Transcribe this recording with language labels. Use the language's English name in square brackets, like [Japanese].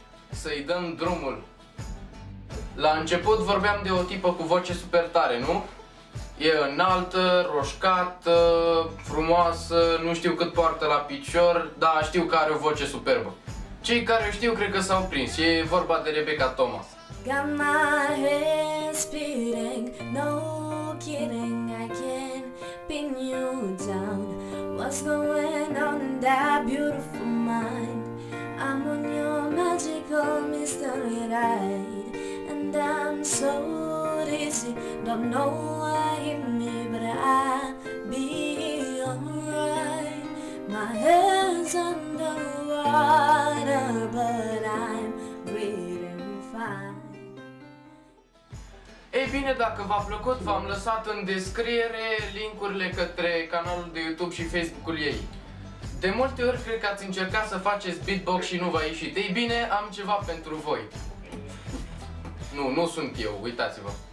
[Romanian] Să-i dăm drumul. La început vorbeam de o tipă cu voce super tare, nu? E înaltă, roșcată, frumoasă, nu știu cât poartă la picior, dar știu că are o voce superbă. Cei care o știu cred că s-au prins, e vorba de Rebecca Thomas. [English] Got my hands beating, no kidding, I can't pin you down. What's going on in that beautiful mind? I'm on your magical mystery ride, and I'm so dizzy. Don't know why hit me, but I'll be alright. My head's underwater, but I'm breathing fine. [Romanian] Ei bine, dacă v-a plăcut, v-am lăsat în descriere linkurile către canalul de YouTube și Facebook-ul ei. De multe ori cred că ați încercat să faceți beatbox și nu v-a ieșit. Ei bine, am ceva pentru voi. Nu, nu sunt eu, uitați-vă.